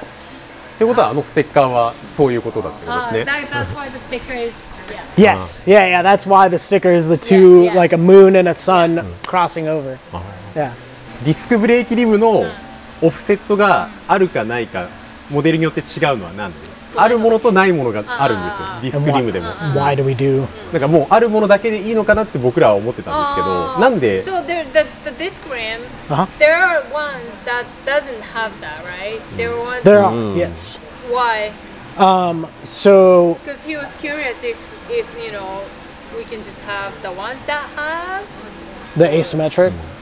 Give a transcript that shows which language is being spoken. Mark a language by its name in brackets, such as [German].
[Japanese] ってことはあのステッカーはそういうことだったんですね。 [English] That's why the sticker is. Yes. Yeah, yeah. That's why the sticker is the two like a moon and a sun crossing over. Yeah. [Japanese] ディスクブレーキリムのオフセットがあるかないかモデルによって違うのは何で？あるものとないものがあるんですよ。ディスクリムでも。 [English] Why do we do? [Japanese] なんかもうあるものだけでいいのかなって僕らは思ってたんですけど、なんで [English] ？So the disc rim, there are ones that doesn't have that, right? There was. There are. Yes. Why? So. Because he was curious if you know we can just have the ones that have the asymmetric.